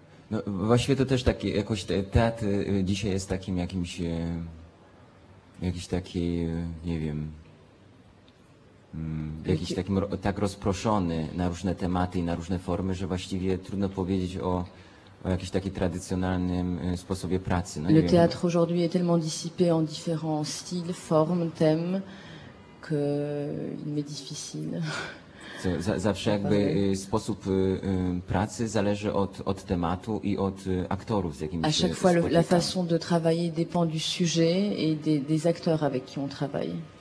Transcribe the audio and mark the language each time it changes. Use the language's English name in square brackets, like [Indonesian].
[Polish] No, właściwie to też taki, jakoś teatr dzisiaj jest takim jakimś, jakiś taki, nie wiem, jakiś takim tak rozproszony na różne tematy i na różne formy, że właściwie trudno powiedzieć o o jakiś taki tradycjonalny sposobie pracy. [French] No, le théâtre aujourd'hui est tellement dissipé en différents styles, formes, thèmes, que il m'est difficile. [Polish] Zawsze jakby sposób pracy zależy od tematu i od aktorów, z jakimi się spotykamy. [French] A chaque fois la façon de travailler dépend du sujet et des acteurs avec qui on travaille.